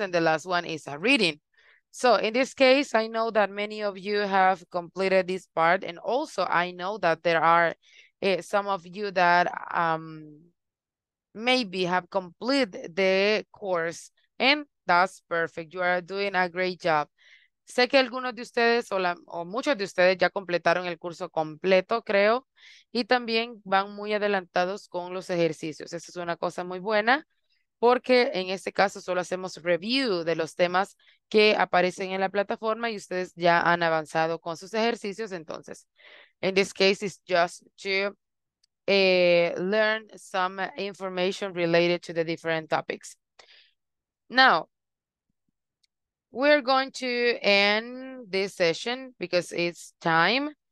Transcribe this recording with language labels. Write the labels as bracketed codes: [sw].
[en] And the last one is a reading. So in this case, I know that many of you have completed this part. And also I know that there are some of you that maybe have completed the course, and that's perfect. You are doing a great job. [es] Sé que algunos de ustedes o muchos de ustedes ya completaron el curso completo, creo, y también van muy adelantados con los ejercicios. Esa es una cosa muy buena, porque en este caso solo hacemos review de los temas que aparecen en la plataforma y ustedes ya han avanzado con sus ejercicios. Entonces, [en] in this case, it's just to learn some information related to the different topics. Now, we're going to end this session because it's time.